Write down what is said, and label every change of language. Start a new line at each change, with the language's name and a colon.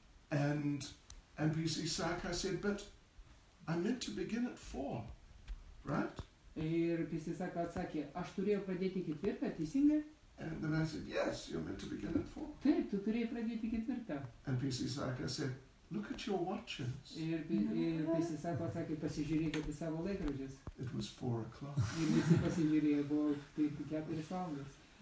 English: And P.C. Saka said, but I'm meant to begin at 4, right?
Lithuanian: Ir P.C. Saka atsakė, aš turėjau pradėti ketvirtą, teisingai?
English: And then I said, yes, you're meant to begin at 4.
Lithuanian: Taip, tu turėjai pradėti ketvirtą.
English: And P.C. Saka said, look at your watches.
Lithuanian: Ir P.C. Saka atsakė, pasižiūrėk į savo laikrodžius.
English: It was 4 o'clock.
Lithuanian: Ir visi pasižiūrėjo, buvo 4 valandos.